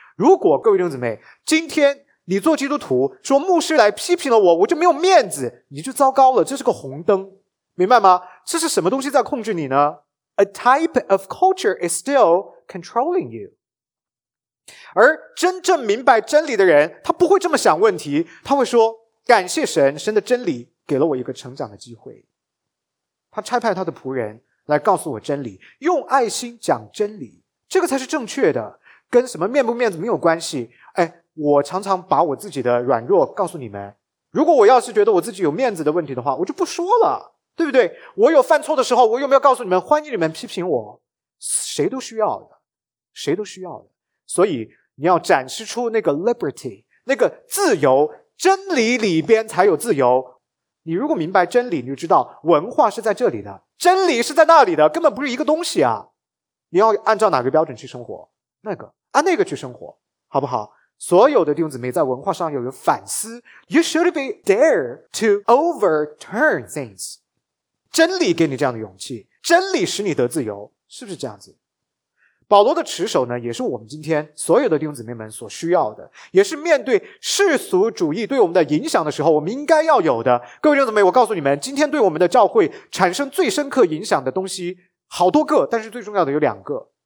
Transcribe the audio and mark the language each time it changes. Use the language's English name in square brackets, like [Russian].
[Chinese] 如果各位弟兄姊妹，今天你做基督徒说牧师来批评了我，我就没有面子，你就糟糕了，这是个红灯。明白吗？这是什么东西在控制你呢？ [English] A type of culture is still controlling you. [Chinese] 而真正明白真理的人，他不会这么想问题，他会说，感谢神，神的真理给了我一个成长的机会。他差派他的仆人来告诉我真理，用爱心讲真理，这个才是正确的，跟什么面不面子没有关系。哎，我常常把我自己的软弱告诉你们，如果我要是觉得我自己有面子的问题的话，我就不说了，对不对？我有犯错的时候，我有没有告诉你们？欢迎你们批评我，谁都需要的，谁都需要的。所以你要展示出那个 liberty, 那个自由，真理里边才有自由。你如果明白真理，你就知道文化是在这里的，真理是在那里的，根本不是一个东西啊！你要按照哪个标准去生活？那个，按那个去生活，好不好？所有的弟兄姊妹在文化上要有反思。 [English] You should be dare to overturn things. [Chinese] 真理给你这样的勇气，真理使你得自由，是不是这样子？保罗的持守呢，也是我们今天所有的弟兄姊妹们所需要的，也是面对世俗主义对我们的影响的时候，我们应该要有的。各位弟兄姊妹，我告诉你们，今天对我们的教会产生最深刻影响的东西好多个，但是最重要的有两个。